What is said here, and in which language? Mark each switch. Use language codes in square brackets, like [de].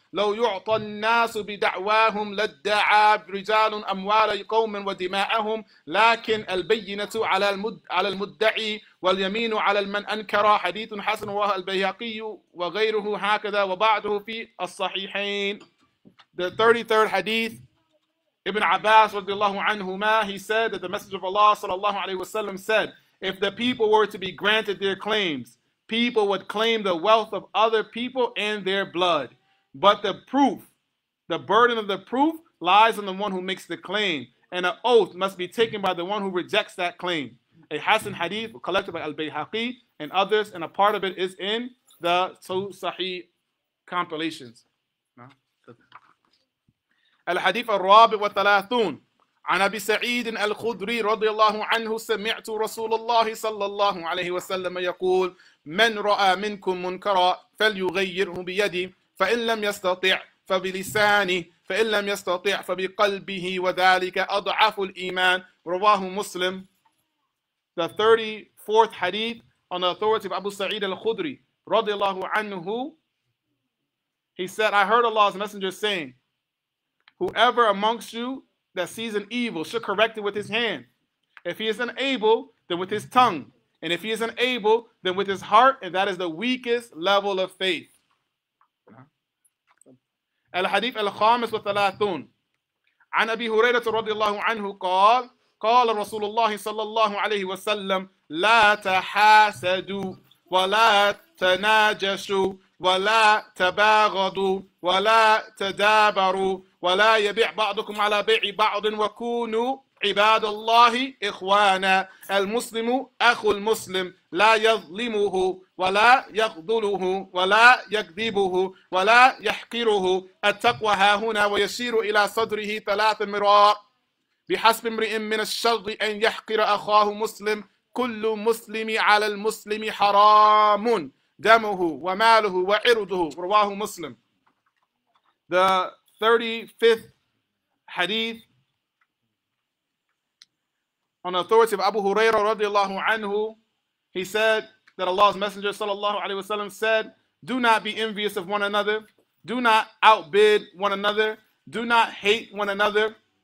[ar] لو يعطى الناس بدعواهم لدعى رجال أموال قوم ودماءهم لكن البينة على المدعي واليمين على من أنكر حديث حسن رواه البيهقي وغيره هكذا وبعده في الصحيحين. [en] The 33rd hadith, Ibn Abbas [ar] رضي الله عنهما, [en] he said that the Messenger of Allah [ar] صلى الله عليه وسلم [en] said, if the people were to be granted their claims, people would claim the wealth of other people and their blood. But the proof, the burden of the proof, lies on the one who makes the claim. And an oath must be taken by the one who rejects that claim. A Hassan hadith collected by Al-Bayhaqi and others, and a part of it is in the two Sahih compilations. [ar] Al-Hadith al-Rabi wa Thalathun عن أبي سعيد الخدري رضي الله عنه سمعت رسول الله صلى الله عليه وسلم يقول من رأى منكم منكرا فليغيره بيده فإن لم يستطع فبلسانه فإن لم يستطيع فبقلبه وذلك أضعف الإيمان رواه مسلم. [en] The 34th hadith on the authority of Abu Sa'id al-Khudri [ar] radiallahu anhu, [en] he said, I heard Allah's messenger saying, whoever amongst you that sees an evil should correct it with his hand. If he is unable, then with his tongue. And if he is unable, then with his heart. And that is the weakest level of faith. [ar] Al-Hadith al-Khamis wa thalathun. An Abi Hurairah radiallahu anhu qal, قال رسول الله صلى الله عليه وسلم لا تحاسدوا ولا تناجشوا ولا تباغضوا ولا تدابروا ولا يبيع بعضكم على بيع بعض وكونوا عباد الله إخوانا المسلم أخو المسلم لا يظلمه ولا يغضله ولا يكذبه ولا يحقره التقوى هاهنا ويشير إلى صدره ثلاث مرار بحسب امرئ من الشر أن يحقر أخاه مسلم كل مسلم على المسلم حرام دمه وماله وعرضه رواه مسلم. [en] The 35th hadith on authority of Abu Hurairah [ar] رضي الله عنه, [en] he said that Allah's Messenger [ar] صلى الله عليه وسلم [en] said, do not be envious of one another, do not outbid one another, do not hate one another.